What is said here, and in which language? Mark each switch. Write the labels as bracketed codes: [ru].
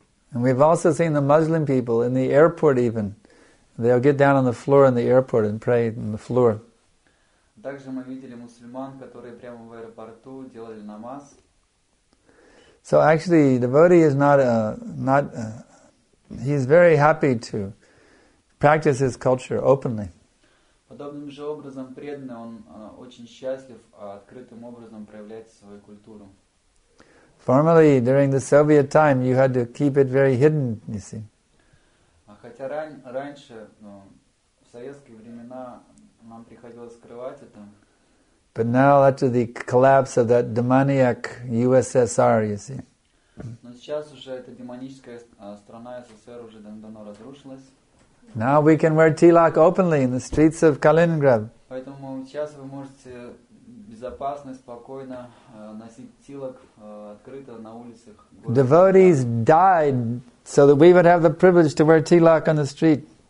[en] And we've also seen the Muslim people in the airport even. They'll get down on the floor in the airport and pray on the floor. [ru] Также мы видели мусульман, которые прямо в аэропорту делали намаз. [en] So actually, devotee is he is very happy to practice his culture openly. [ru] Подобным же образом преданный, он очень счастлив открытым образом проявлять свою культуру. [en] Formerly, during the Soviet time, you had to keep it very hidden, you see. [ru] Хотя раньше, в советские времена, нам приходилось скрывать это. [en] But now, after the collapse of that demoniac USSR, you see. [ru] Но сейчас уже эта демоническая страна СССР уже давно разрушилась. [en] Now we can wear tilak openly in the streets of Kaliningrad. [ru] Поэтому сейчас вы можете безопасно, спокойно носить тилак открыто на улицах. [en] Devotees died so that we would have the privilege to wear tilak on the street.